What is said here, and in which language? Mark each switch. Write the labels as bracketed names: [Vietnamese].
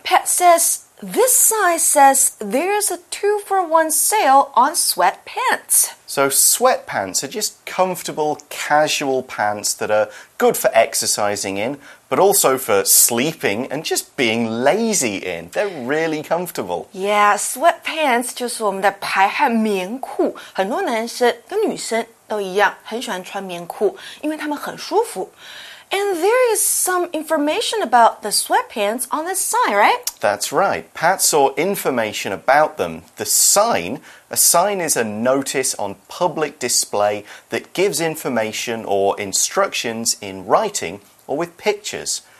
[English] Pat says this sign says there's a 2-for-1 sale on sweatpants. So sweatpants are just comfortable, casual pants that are good for exercising in. But also for sleeping and just being lazy in. They're really comfortable. [Chinese] Yeah, sweatpants 就是我们的排汗棉裤。很多男生跟女生都一样，很喜欢穿棉裤，因为他们很舒服。 [English] And there is some information about the sweatpants on this sign, right? That's right. Pat saw information about them. The sign, a sign is a notice on public display that gives information or instructions in writing. Or with pictures.